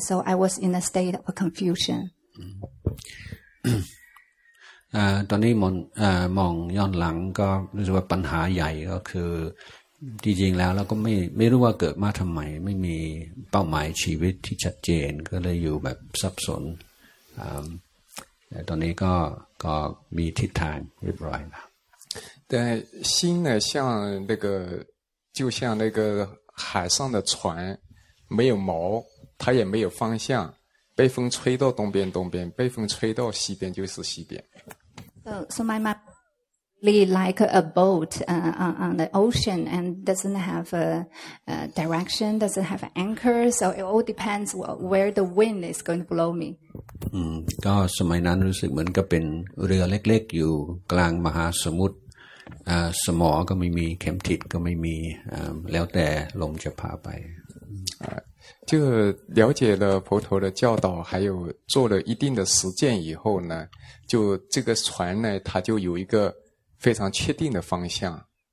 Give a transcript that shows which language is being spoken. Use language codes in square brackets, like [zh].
[en] So I was in a state of confusion. [th] ตอนนี้มองย้อนหลังก็รู้สึกว่าปัญหาใหญ่ก็คือจริงๆแล้วเราก็ไม่รู้ว่าเกิดมาทำไมไม่มีเป้าหมายชีวิตที่ชัดเจนก็เลยอยู่แบบสับสนแต่ตอนนี้ก็มีทิศทางเรียบร้อยแล้ว [zh] 但心呢像那个就像那个海上的船没有锚它也没有方向被风吹到东边东边被风吹到西边就是西边 [en] So my mindLike a boat on the ocean and doesn't have a direction, doesn't have an anchor, so it all depends where the wind is going to blow me. [th] ก็สมัยนั้นรู้สึกเหมือนกับเป็นเรือเล็กๆอยู่กลางมหาสมุทรสมอก็ไม่มีเข็มทิศก็ไม่มีแล้วแต่ลมจะพาไป [zh] 就了解了佛陀的教导还有做了一定的实践以后呢就这个船呢它就有一个非常确定的方向。